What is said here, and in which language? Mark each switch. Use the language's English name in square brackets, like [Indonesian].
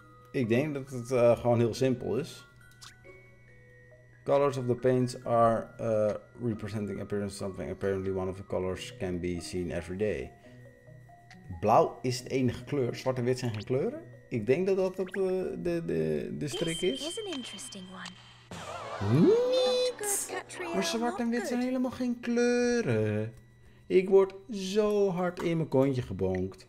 [Dutch] Ik denk dat het gewoon heel simpel is. [English] Colors of the paints are representing appearance of something. Apparently one of the colors can be seen every day. [Dutch] Blauw is de enige kleur. Zwart en wit zijn geen kleuren. Ik denk dat dat de strik is. [English] This is an interesting one. [Dutch] Niet! Maar zwart en wit zijn helemaal geen kleuren. Ik word zo hard in mijn kontje gebonkt.